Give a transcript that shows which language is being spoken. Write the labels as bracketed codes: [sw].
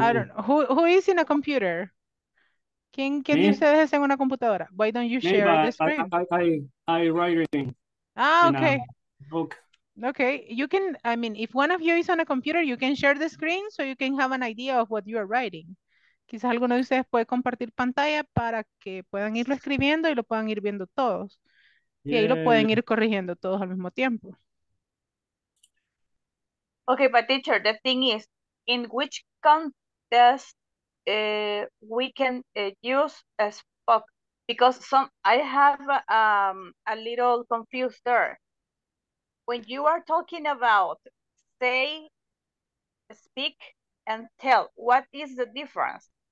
[en] I don't know who is in a computer. [es] ¿Quién de ustedes es en una computadora? [en] Why don't you share the screen? I write it in. Ah, okay. Book. Okay, you can, I mean, if one of you is on a computer, you can share the screen so you can have an idea of what you are writing. [es] Quizás alguno de ustedes puede compartir pantalla para que puedan irlo escribiendo y lo puedan ir viendo todos. Yeah. Y ahí lo pueden ir corrigiendo todos al mismo tiempo. [en] Okay, but teacher, the thing is, in which context we can use a spoke? Because some I have a little confused there. When you are talking about say, speak, and tell, what is the difference?